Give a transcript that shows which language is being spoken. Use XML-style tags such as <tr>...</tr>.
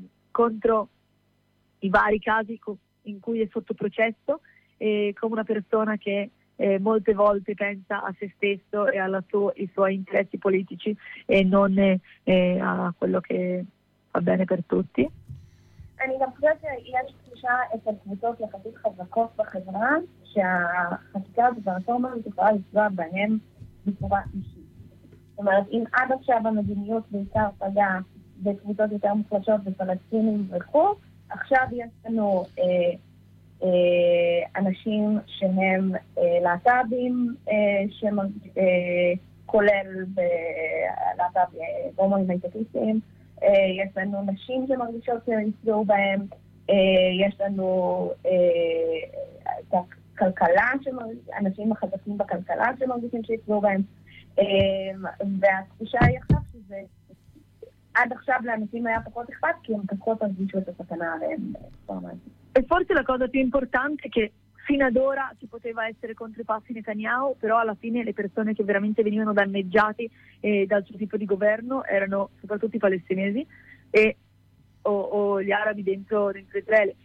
<it>contro i vari casi in cui è sotto processo, come una persona che molte volte pensa a se stesso e ai suoi interessi politici e non a quello che fa bene per tutti.</it> <he>אני גם חושבת שיש תחושה אצל קבוצות יחסית חזקות בחברה שהחקיקה הזאת והרפורמה יכולה לפגוע בהם בצורה אישית. זאת אומרת, אם עד עכשיו המדיניות בעיקר פגעה בקבוצות יותר מוחלשות ופלסטינים וכו', עכשיו יש לנו אנשים שהם להט"בים כולל להט"ב הומואים היטקיסטיים, יש לנו נשים שמרגישות שיפגעו בהם, יש לנו את הכלכלה אנשים החזקים בכלכלה שמרגישים שיפגעו בהם, והתחושה היא עכשיו שזה עד עכשיו לאנשים היה פחות אכפת כי הם פחות הרגישו את הסכנה עליהם.</he> <it>E forse la cosa più importante è che fino ad ora si poteva essere contro i passi Netanyahu, però alla fine le persone che veramente venivano danneggiate dal suo tipo di governo erano soprattutto i palestinesi o gli arabi dentro Israele.</it>